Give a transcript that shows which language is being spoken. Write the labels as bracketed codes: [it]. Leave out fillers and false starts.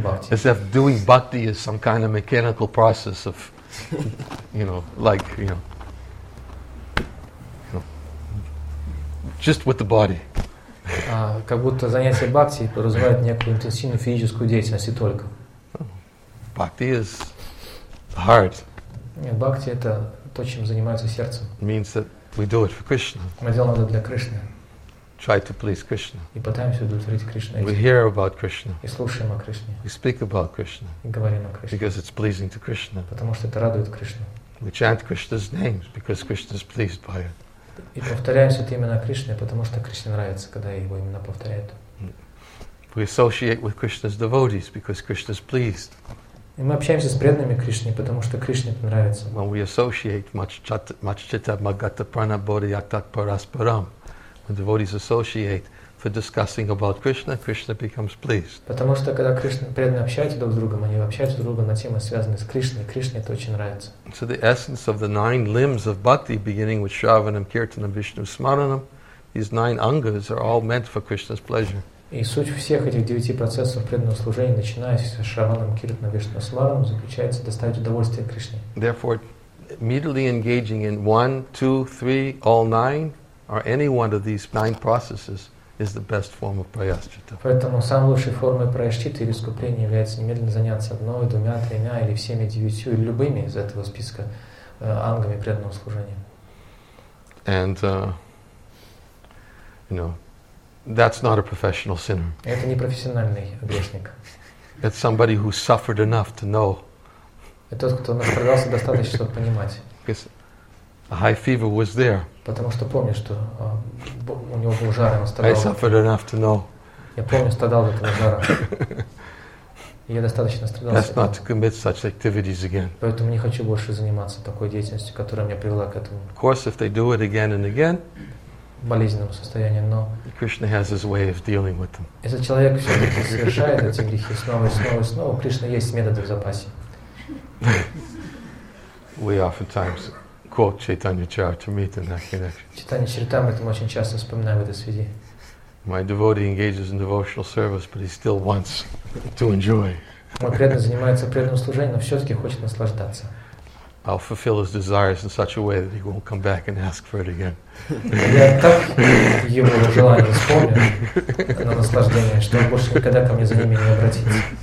[en] As if doing bhakti is some kind of mechanical process of, you know, like, you know, just with the body. [ru] Как будто занятие бхакти подразумевает некую интенсивную физическую деятельность и только. [en] Bhakti is the heart. [ru] Нет, бхакти — это то, чем занимается сердце. [en] Means that we do it for Krishna. [ru] Мы делаем это для Кришны. [en] Try to please Krishna. [ru] И пытаемся удовлетворить Кришну. [en] We hear about Krishna. [ru] И слушаем о Кришне. [en] We speak about Krishna. [ru] И говорим о Кришне. [en] Because it's pleasing to Krishna. [ru] Потому что это радует Кришну. [en] We chant Krishna's names because Krishna is pleased by it. [ru] И повторяем это имя Кришны, потому что Кришне нравится, когда его именно повторяют. [en] We associate with Krishna's devotees because Krishna is pleased. [ru] И мы общаемся с преданными Кришне, потому что Кришне это нравится. [en] When we associate [sa] machchitta magata pranabodhi atak parasparam. [en] When devotees associate for discussing about Krishna, Krishna becomes pleased. [ru] Потому что когда преданные общаются друг с другом, они общаются друг с другом на темы, связанные с Кришной, Кришне это очень нравится. [en] So the essence of the nine limbs of bhakti, beginning with Shravanam, Kirtanam, Vishnu, Smaranam, these nine angas are all meant for Krishna's pleasure. [ru] И суть всех этих девяти процессов преданного служения, начиная с Шраванам, Киртанам, Вишну, Смаранам, заключается доставить удовольствие Кришне. [en] Therefore, immediately engaging in one, two, three, all nine, or any one of these nine processes is the best form of prayaschita. [ru] Поэтому самой лучшей формой прайашчиты или искупления является немедленно заняться одной, двумя, тремя или всеми девятью или любыми из этого списка ангами преданного служения. [en] And you know, that's not a professional sinner. [ru] Это не профессиональный грешник. [en] It's somebody who suffered enough to know. [ru] Это тот, кто настрадался достаточно, чтобы понимать. [en] A high fever was there. [ru] Потому что помню, что у него был жар, он страдал. [en] I suffered enough to know. [ru] Я помню, страдал от этого жара. Я достаточно страдал. [en] That's not to commit such activities again. [ru] Поэтому не хочу больше заниматься такой деятельностью, которая меня привела к этому. [en] Of course, if they do it again and again. [ru] Болезненному состоянию, но. [en] Krishna has his way of dealing with them. [ru] Если человек все-таки совершает эти грехи снова и снова и снова, у Кришны есть методы в запасе. [en] We oftentimes quote Chaitanya Charitamrita in that connection. [ru] Chaitanya Charitamrita мы очень часто вспоминаем в этой связи. [en] My devotee engages in devotional service, but he still wants to enjoy. [ru] Мой преданный занимается преданным служением, но все-таки хочет наслаждаться. [en] I'll fulfill his desires in such a way that he won't come back and ask for it again. [ru] Я так его желание исполню на наслаждение, что он больше никогда ко мне за ними не обратится.